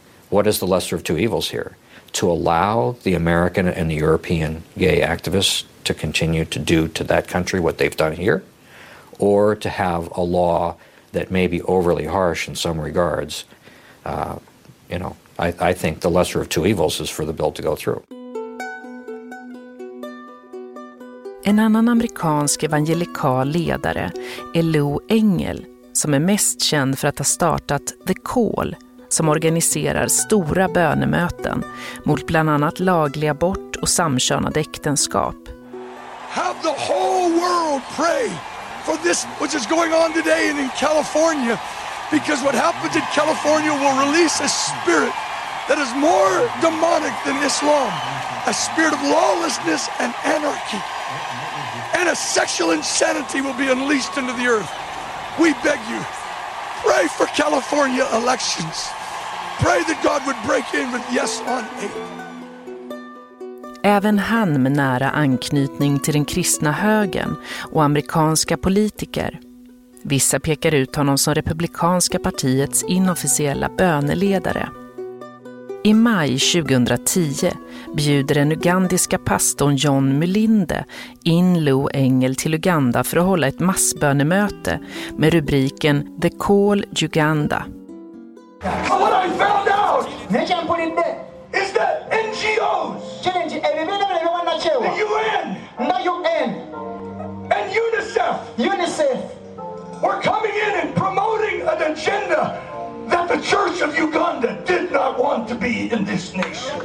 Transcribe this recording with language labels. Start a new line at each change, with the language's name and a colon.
English: What is the lesser of two evils here? To allow the American and the European gay activists to continue to do to that country what they've done here, or to have a law that may be overly harsh in some regards, I think the lesser of two evils is for the bill to go through.
Swedish: En annan amerikansk evangelikal ledare är Lou Engel, som är mest känd för att ha startat The Call, som organiserar stora bönemöten mot bland annat laglig abort och samkönade äktenskap.
English: Have the whole world pray for this, which is going on today and in California, because what happens in California will release a spirit that is more demonic than Islam, a spirit of lawlessness and anarchy, and a sexual insanity will be unleashed into the earth. We beg you, pray for California elections. Pray that God would break in with yes on eight.
Swedish: Även han med nära anknytning till den kristna högern och amerikanska politiker. Vissa pekar ut honom som republikanska partiets inofficiella böneledare. I maj 2010 bjuder den ugandiska pastorn John Mulinde in Lou Engel till Uganda för att hålla ett massbönemöte med rubriken The Call Uganda.
English: What I found out is that NGOs, the UN, and UNICEF were coming in and promoting an agenda that the Church of Uganda did not want to be in this nation.